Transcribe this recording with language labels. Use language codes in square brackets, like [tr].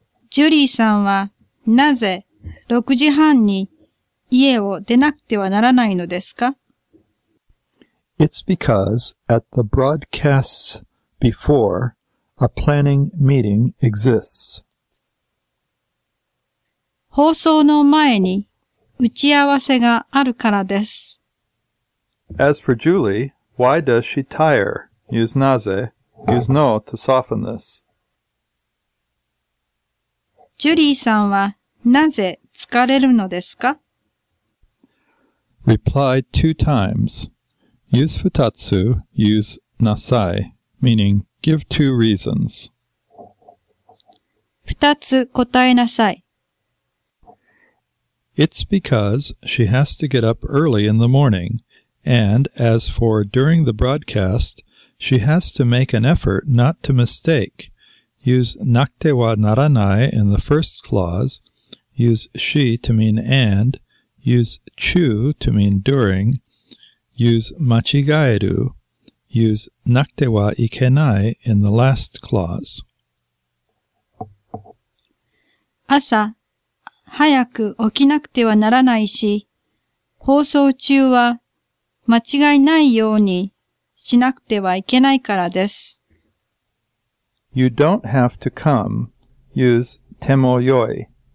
[ja] ジュリーさんはなぜ6時半に家を出なくてはならないのですか? [en] It's because at the broadcasts before, a planning meeting exists. [ja] 放送の前に打ち合わせがあるからです。 [en] As for Julie, why does she tire? Use なぜ?Use no to soften this. [ja] ジュリーさんはなぜ疲れるのですか? [en] Reply two times. Use futatsu, use nasai, meaning give two reasons. [ja] 二つ答えなさい。 [en] It's because she has to get up early in the morning, and as for during the broadcast, she has to make an effort not to mistake. Use なくてはならない in the first clause. Use she to mean and. Use chu to mean during. Use 間違える. Use なくてはいけない in the last clause. [ja] 朝、早く起きなくてはならないし、放送中は間違いないようにしなくてはいけないからです。 [en] You don't have to come. Use てもよい。